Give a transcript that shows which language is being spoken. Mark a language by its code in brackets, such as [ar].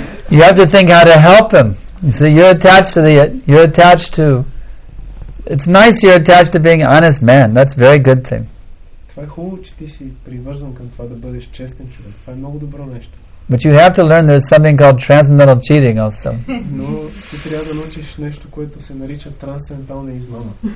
[en] You have to think how to help him. You see, you're attached to it's nice you're attached to being an honest man. That's a very good thing. [bg] Това е хубаво, че ти си привързан към това да бъдеш честен човек. Това е много добро нещо. [en] But you have to learn there's something called transcendental cheating also. [bg] Но ти трябва да научиш нещо, което се нарича трансцендентална измама.